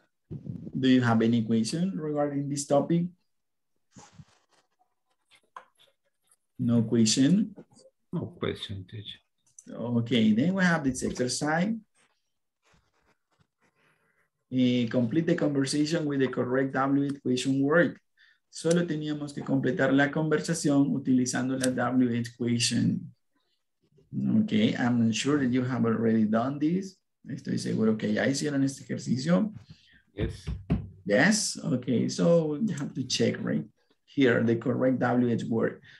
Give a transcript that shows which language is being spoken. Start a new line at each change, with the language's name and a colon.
English: Do you have any question regarding this topic? No question? No question, teacher. Okay, then we have this exercise. Complete the conversation with the correct WH question word.
Spanish: Solo teníamos que completar la conversación utilizando la WH question.
English: Okay, I'm sure that you have already done this.
Spanish: Estoy seguro que ya hicieron este ejercicio.
English: Yes. Yes, okay, so you have to check right here, the correct WH word.